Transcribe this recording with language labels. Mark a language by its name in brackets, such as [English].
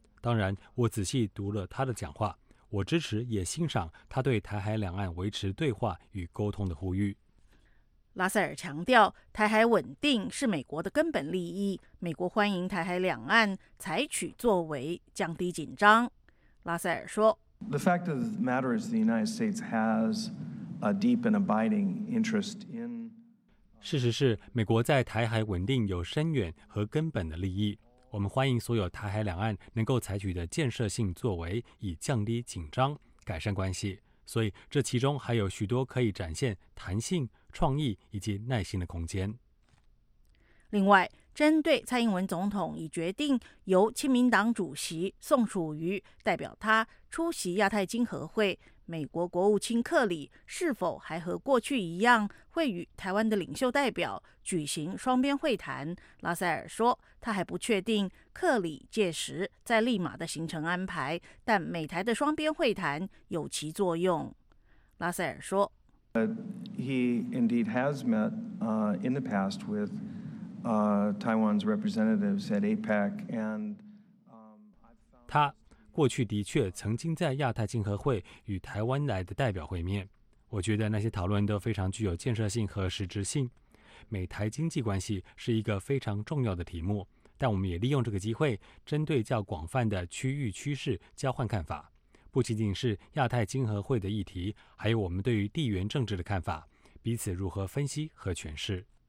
[Chinese] 当然我仔细读了他的讲话，我支持也欣赏他对台海两岸维持对话与沟通的呼吁。拉塞尔强调，台海稳定是美国的根本利益，美国欢迎台海两岸采取作为降低紧张。拉塞尔说， [English] The fact of the matter is the United States has a deep and abiding interest in [Chinese] 事实是美国在台海稳定有深远和根本的利益，我们欢迎所有台海两岸能够采取的建设性作为以降低紧张，改善关系，所以这其中还有许多可以展现弹性、创意以及耐心的空间。另外，针对蔡英文总统已决定由亲民党主席宋楚瑜代表他出席亚太经合会，美国国务卿克里是否还和过去一样会与台湾的领袖代表举行双边会谈，拉塞尔说他还不确定克里届时在利马的行程安排，但美台的双边会谈有其作用。拉塞尔说， [English] He indeed has met in the past with Taiwan's representatives at APEC and [Chinese] 他过去的确曾经在亚太经合会与台湾来的代表会面，我觉得那些讨论都非常具有建设性和实质性。美台经济关系是一个非常重要的题目，但我们也利用这个机会针对较广泛的区域趋势交换看法，不仅仅是亚太经合会的议题，还有我们对于地缘政治的看法，彼此如何分析和诠释。